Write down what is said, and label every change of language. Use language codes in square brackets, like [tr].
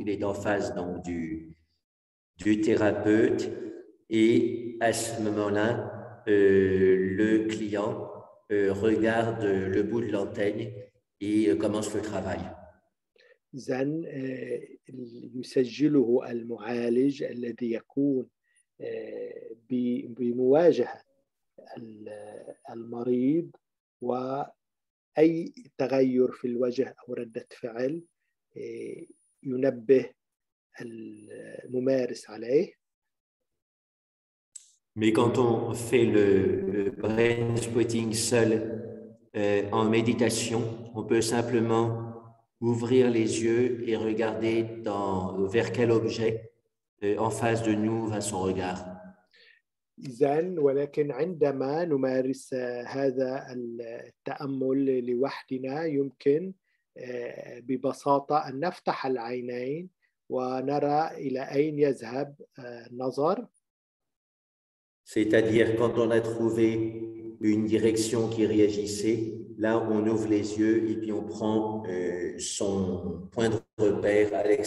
[fr] Il est en face donc du thérapeute et à ce moment-là, le client regarde le bout de l'antenne et commence le travail. [ar] إذن يسجله المعالج الذي يكون بمواجهة المريض وأي تغير في الوجه أو ردة فعل ينبه الممارس عليه. [fr] Mais quand on fait le brain spotting seul en méditation, on peut simplement ouvrir les yeux et regarder vers quel objet en face de nous va son regard. [ar] إذن ولكن عندما نمارس هذا التأمل لوحدنا يمكن ببساطة أن نفتح العينين ونرى إلى أين يذهب النظر. [fr] C'est-à-dire quand on a trouvé une direction qui réagissait, là on ouvre les yeux et puis on prend son point de repère à